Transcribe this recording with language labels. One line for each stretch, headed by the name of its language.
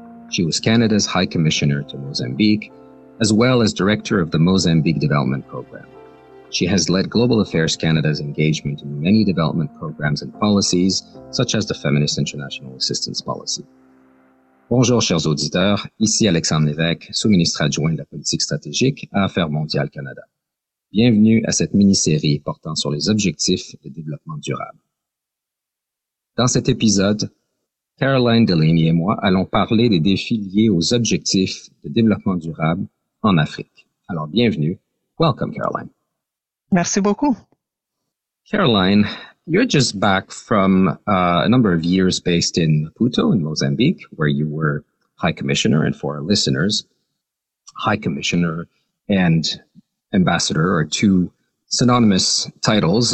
English: She was Canada's High Commissioner to Mozambique, as well as Director of the Mozambique Development Program. She has led Global Affairs Canada's engagement in many development programs and policies, such as the Feminist International Assistance Policy.
French: Bonjour, chers auditeurs. Ici Alexandre Lévesque, sous-ministre adjoint de la politique stratégique à Affaires mondiales Canada. Bienvenue à cette mini-série portant sur les objectifs de développement durable. Dans cet épisode, Caroline Delaney et moi allons parler des défis liés aux objectifs de développement durable en Afrique. Alors, bienvenue.
English: Welcome,
French: Caroline. Merci beaucoup.
English: Caroline, you're just back from a number of years based in Maputo in Mozambique, where you were High Commissioner, and for our listeners, High Commissioner and Ambassador are two synonymous titles.